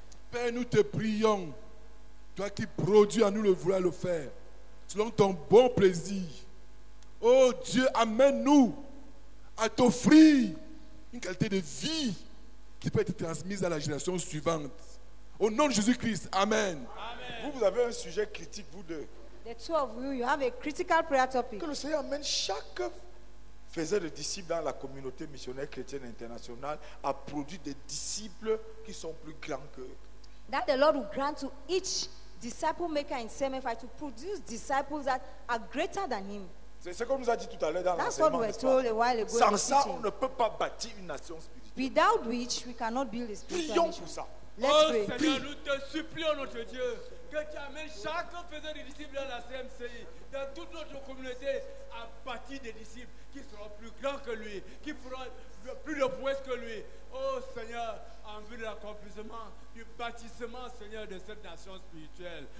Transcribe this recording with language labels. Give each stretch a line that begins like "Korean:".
French: Père, nous te prions, toi qui produis à nous le vouloir le faire, selon ton bon plaisir. Oh Dieu, amène-nous à t'offrir une qualité de vie qui peut être transmise à la génération suivante. Au nom de Jésus-Christ, amen. Amen. Vous avez un sujet critique, vous deux.
English: The two of you, you have a critical prayer topic.
French: Que le Seigneur amène chaque faisait de disciples dans la communauté missionnaire chrétienne internationale à produire des disciples qui sont plus grands qu'eux.
English: That the Lord will grant to each disciple maker in CMFI to produce disciples that are greater than him.
French: C'est ce qu'on nous a dit tout à l'heure dans
English: That's what we were told a while ago.
French: Sans ça, on ne peut pas bâtir une nation spirituelle.
English: Without which, we cannot build a spiritual nation.
French: Prions pour ça.
English: Let's pray.
French: Seigneur, puis, nous te supplions, notre Dieu, que tu amènes chaque faisant des disciples dans la CMCI, dans toute notre communauté, à bâtir des disciples qui seront plus grands que lui, qui feront plus de prouesses que lui. Oh Seigneur, en vue de l'accomplissement du bâtissement, Seigneur, de cette nation spirituelle.